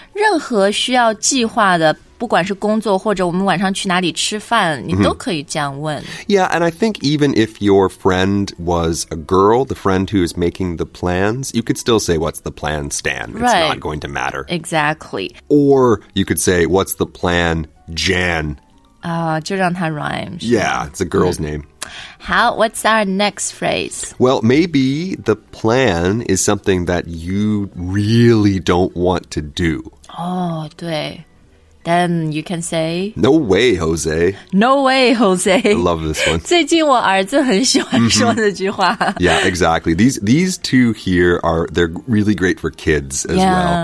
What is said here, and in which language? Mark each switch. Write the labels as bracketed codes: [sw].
[zh] 任何需要计划的不管是工作或者我们晚上去哪里吃饭你都可以这样问。 [en] Yeah, and I think even if your friend was a girl, the friend who is making the plans, you could still say, what's the plan, Stan? Right. It's not going to matter. Exactly. Or you could say, what's the plan, Jan? [zh] 就让它 rhyme. [en] Yeah, it's a girl's name. How, what's our next phrase? Well, maybe the plan is something that you really don't want to do. Oh, 对.Then you can say... No way, Jose. No way, Jose. I love this one. [zh] 最近我儿子很喜欢说这句话。 [en] Yeah, exactly. These two here are, they're really great for kids as well.